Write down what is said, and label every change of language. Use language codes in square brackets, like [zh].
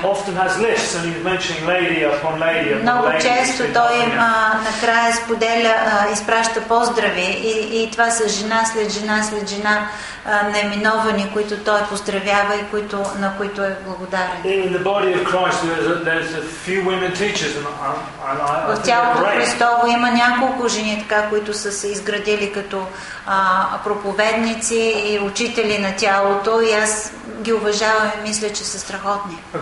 [en] Often has lists, and he's mentioning lady upon lady upon lady. [bg] Много често той накрая споделя, изпраща поздрави и това са жена след жена след жена наименовани, които той поздравява и които, на които е благодарен. [en] In the body of Christ, there's a few women teachers, and [bg] в тялото Христово има няколко жени, така, които са се изградили като проповедници и учители на тялото, и аз ги уважавам и мисля, че са страхотни.